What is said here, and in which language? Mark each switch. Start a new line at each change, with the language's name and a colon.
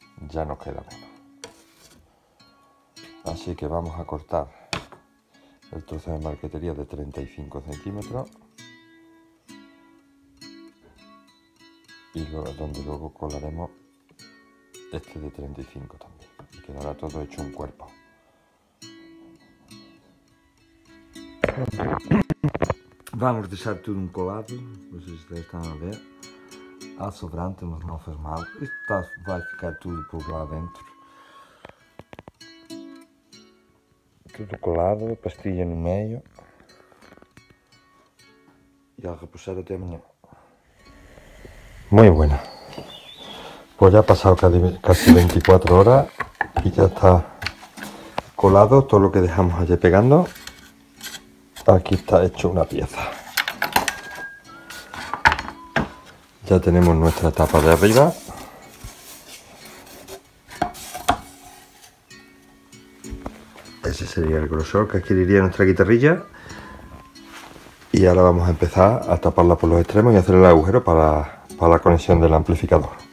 Spanish: Ya nos queda menos, así que vamos a cortar el trozo de marquetería de 35 centímetros y luego donde luego colaremos este de 35 también y quedará todo hecho un cuerpo.
Portuguese: Vamos a deixar tudo um colado, vocês já estão a ver. Há sobrante, mas não faz mal. Isto vai ficar tudo por lá dentro. Tudo colado, pastilha no meio. E a repousar até amanhã. Muito boa. Pois já passaram quase 24 horas e já está colado todo o que deixamos ali pegando.
Spanish: Aquí está hecho una pieza. Ya tenemos nuestra tapa de arriba. Ese sería el grosor que adquiriría nuestra guitarrilla. Y ahora vamos a empezar a taparla por los extremos y hacer el agujero para la conexión del amplificador.